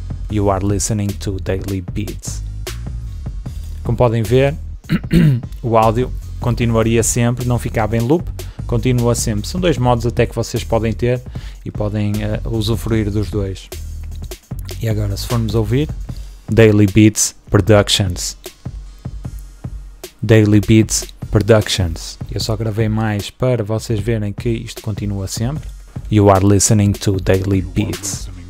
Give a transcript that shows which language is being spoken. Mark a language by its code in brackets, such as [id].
[en] You are listening to Daily Beats. [pt] Como podem ver, o áudio continuaria sempre, não ficava em loop, continua sempre. São dois modos até que vocês podem ter e podem usufruir dos dois. E agora, se formos ouvir, Daily Beats Productions. Daily Beats Productions. Eu só gravei mais para vocês verem que isto continua sempre. [en] You are listening to Daily Beats.